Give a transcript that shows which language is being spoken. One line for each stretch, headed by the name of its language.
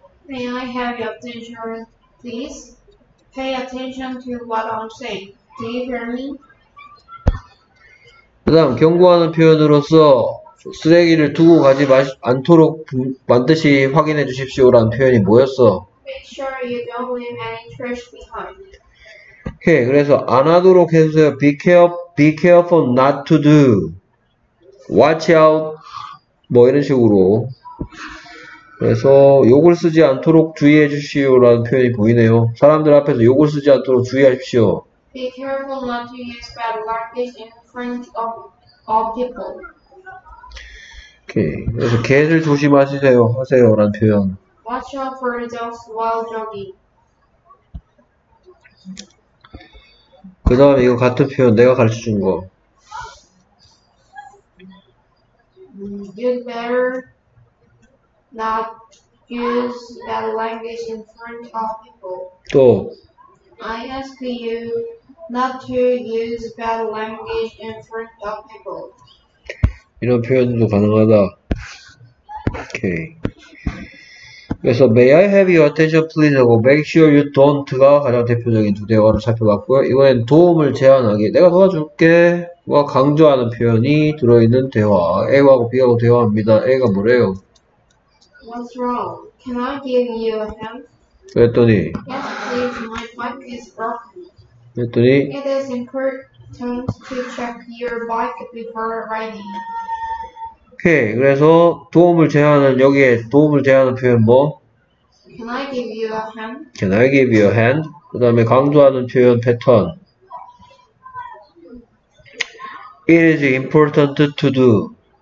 English: May I have your attention, please? Pay attention to what I'm saying. Do you hear me?
Korean: 그 다음, 경고하는 표현으로서 쓰레기를 두고 가지 않도록 반드시 확인해 주십시오 라는 표현이 뭐였어?
English: May I make sure you don't leave any trash behind.
Korean: 오케이, 그래서 안 하도록 해주세요.
English: Be careful, be careful not to do. Watch out.
Korean: 뭐 이런 식으로. 그래서 욕을 쓰지 않도록 주의해 주시오 라는 표현이 보이네요. 사람들 앞에서 욕을 쓰지 않도록 주의하십시오.
English: Be careful not to use bad language in front of people.
Korean: 오케이. 그래서 개를 조심하시세요. 하세요 라는 표현.
English: Watch out for dogs while jogging.
Korean: 그 다음에 이거 같은 표현, 내가 가르쳐 준 거.
English: You'd better not use bad language in front of people.
Korean: 또.
English: I ask you not to use bad language in front of people.
Korean: 이런 표현도 가능하다. 오케이. 그래서
English: may I have your attention please
Korean: 하고
English: make sure you don't
Korean: 가 가장 대표적인 두 대화를 살펴봤고요. 이번엔 도움을 제안하기 내가 도와줄게 와 강조하는 표현이 들어있는 대화. A하고 B하고 대화합니다. A가 뭐래요?
English: What's wrong? Can I give you a hand?
Korean: 그랬더니
English: Yes please, my bike is broken.
Korean: 그랬더니
English: It is important to check your bike before riding.
Korean: 오케이. 그래서 도움을 제안하는 여기에 도움을 제안하는 표현 뭐?
English: Can I give you a hand? Can I give you a hand?
Korean: 그 다음에 강조하는 표현 패턴.
English: It is important to do.